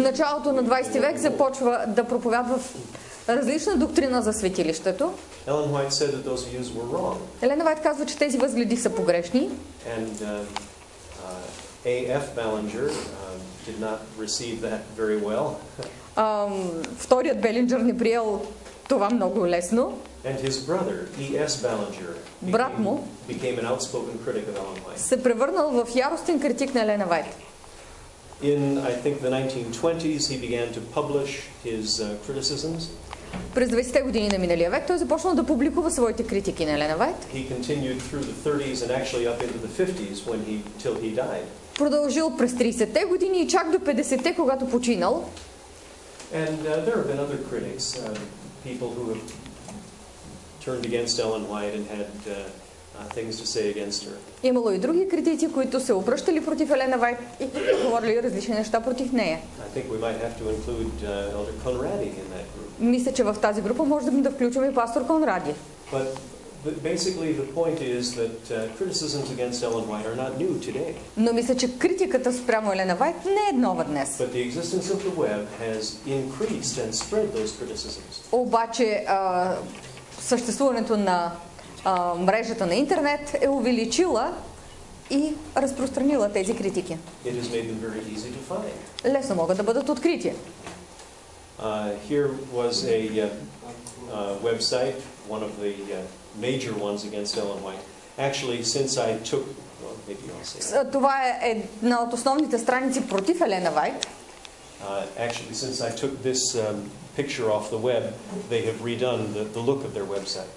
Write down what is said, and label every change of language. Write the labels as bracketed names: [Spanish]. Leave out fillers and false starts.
[Bulgarian] В началото на 20 век започва да проповядва различна доктрина за светилището. [English] Ellen White said that those views were wrong. [Bulgarian] Елена Вайт казва, че тези възгледи са погрешни. [English] And A.F. Ballinger did not receive that very well. [Bulgarian] Вторият Белинджер не приел това много лесно. [English] And his brother, E.S. Ballinger, [Bulgarian] брат му, [English] became an outspoken critic of Ellen White. [Bulgarian] Се превърнал в яростен критик на Елена Вайт. [English] In, I think, the 1920s, he began to publish his criticisms. [Bulgarian] През 20-те години на миналия век той започнал да публикува своите критики на Елена Вайт. [English] He continued through the 30s and actually up into the 50s when he till he died. [Bulgarian] Продължил през 30-те години и чак до 50-те, когато починал. [English] And there have been other critics, people who have turned against Ellen White and had things to say against her. [Bulgarian] Имало и други критици, които се обръщали против Елена Вайт и говорили различни неща против нея. [English] I think we might have to include Elder Conradi in that group. [Bulgarian] Мисля, че в тази група може да включим и пастор Конради. [English] But basically the point is that criticisms against Ellen White are not new today. [Bulgarian] Но мисля, че критиката спрямо Елена Вайт не е нова днес. [English] But the existence of the web has increased and spread those criticisms. [Bulgarian] Обаче съществуването на мрежата на интернет е увеличила и разпространила тези критики. [English] It has made them very easy to find. [Bulgarian] Лесно могат да бъдат открити. [English] Here was a website, one of the major ones against Ellen White. Actually, since I took, maybe I'll say that. [Bulgarian] Това е една от основните страници против Елена Вайт. [English] Actually, since I took this picture off the web, they have redone the look of their website.